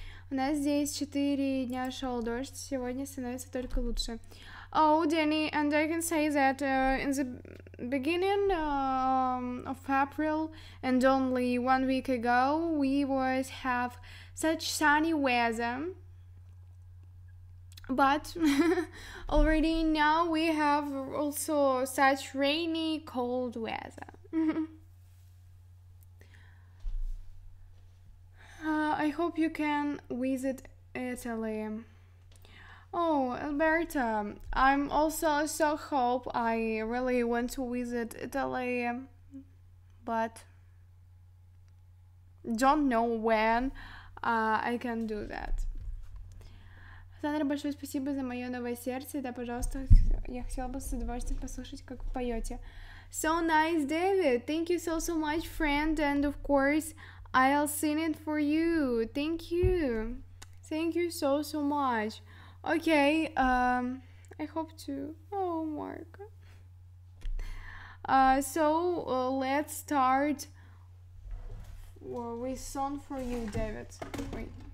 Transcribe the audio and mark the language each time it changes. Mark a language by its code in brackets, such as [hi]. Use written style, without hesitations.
[ru] У нас здесь 4 дня шел дождь. Сегодня становится только лучше. [en] Oh, Danny, and I can say that in the beginning of April, and only 1 week ago, we would have such sunny weather. But already now we have also such rainy, cold weather. I hope you can visit Italy. Oh, Alberta, I'm also so hope I really want to visit Italy, but don't know when I can do that. [ru] Сандра, большое спасибо за мое новое сердце. Да, пожалуйста, я хотела бы с удовольствием послушать, как вы поете. [en] So nice, David. Thank you so, so much, friend. And of course, I'll sing it for you. Thank you. Thank you so, so much. Okay, I hope to... Oh, Mark. Let's start with song for you, David. Wait.